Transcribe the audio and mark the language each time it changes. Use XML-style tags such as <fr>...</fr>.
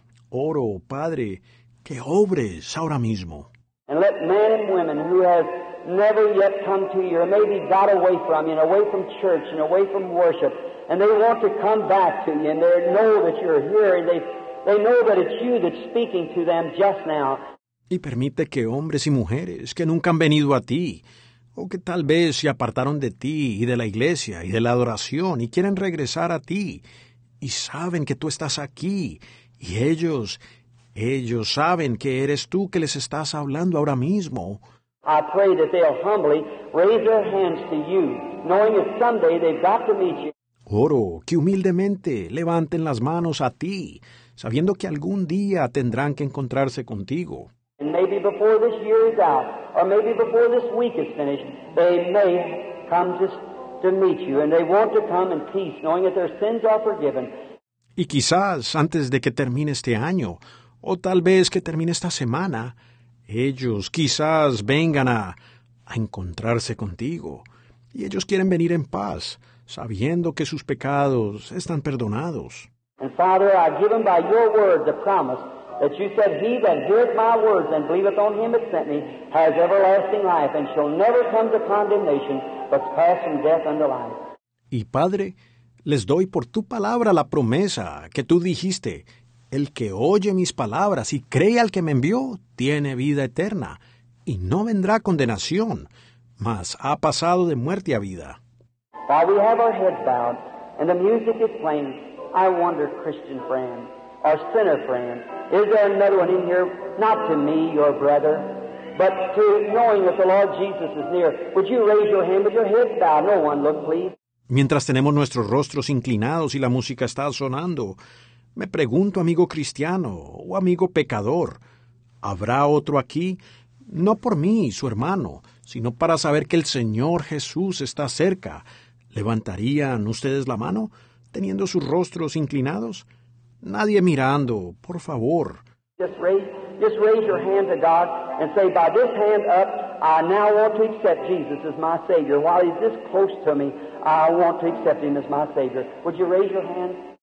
<es>Oro, Padre, que obres ahora mismo.</es> <en>And let men and women who have never yet come to you, or maybe got away from you, and away from church, and away from worship, and they want to come back to you, and they know that you're here, and they know that it's you that's speaking to them just now.</en> <es>Y permite que hombres y mujeres que nunca han venido a ti, o que tal vez se apartaron de ti y de la iglesia y de la adoración y quieren regresar a ti y saben que tú estás aquí y ellos saben que eres tú que les estás hablando ahora mismo.</es> <en>I pray that they'll humbly raise their hands to you, knowing that someday they've got to meet you.</en> <es>Oro, que humildemente levanten las manos a ti, sabiendo que algún día tendrán que encontrarse contigo.</es> <en>And maybe before this year is out, or maybe before this week is finished, they may come just to meet you, and they want to come in peace, knowing that their sins are forgiven.</en> <es>Y quizás antes de que termine este año, o tal vez que termine esta semana, ellos quizás vengan a encontrarse contigo. Y ellos quieren venir en paz, sabiendo que sus pecados están perdonados.</es> <en>And Father, I've given by your word the promise that you said, he that heareth my words and believeth on him that sent me has everlasting life and shall never come to condemnation, but pass from death unto life.</en> <es>Y Padre, les doy por tu palabra la promesa que tú dijiste, el que oye mis palabras y cree al que me envió, tiene vida eterna, y no vendrá condenación, mas ha pasado de muerte a vida.</es> <en>While we have our heads bowed, and the music is playing, I wonder, Christian friend, or sinner friend, is there another one in here, not to me, your brother, but to knowing that the Lord Jesus is near, would you raise your hand with your heads bowed? No one, look, please.</en> <es>Mientras tenemos nuestros rostros inclinados y la música está sonando, me pregunto, amigo cristiano o amigo pecador, ¿habrá otro aquí? No por mí, su hermano, sino para saber que el Señor Jesús está cerca. ¿Levantarían ustedes la mano, teniendo sus rostros inclinados? Nadie mirando, por favor.</es> <en>Just raise your hand to God and say, by this hand up, I now want to accept Jesus as my Savior. While he's this close to me, I want to accept him as my Savior. Would you raise your hand?</en>